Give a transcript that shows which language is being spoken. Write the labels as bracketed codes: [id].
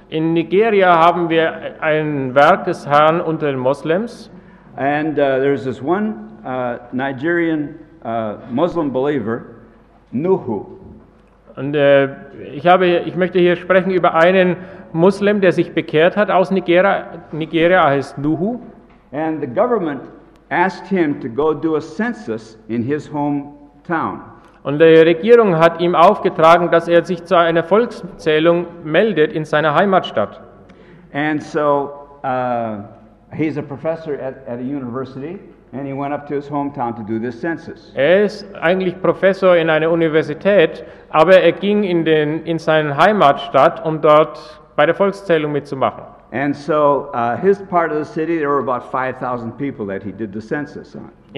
[de] In Nigeria haben wir ein Werk des Herrn unter den Moslems. [en] And there's this one Nigerian Muslim believer, Nuhu. [de] Und ich möchte hier sprechen über einen Muslim, der sich bekehrt hat aus Nigeria. Nigeria heißt Nuhu. [en] And the government asked him to go do a census in his hometown. [de] Und die Regierung hat ihm aufgetragen, dass er sich zu einer Volkszählung meldet in seiner Heimatstadt. [en] And so he's a professor at a university, and he went up to his hometown to do this census. [de] Er ist eigentlich Professor in einer Universität, aber er ging in seine Heimatstadt, um dort bei der Volkszählung mitzumachen. [en] And so his part of the city, there were about 5,000 people that he did the census on.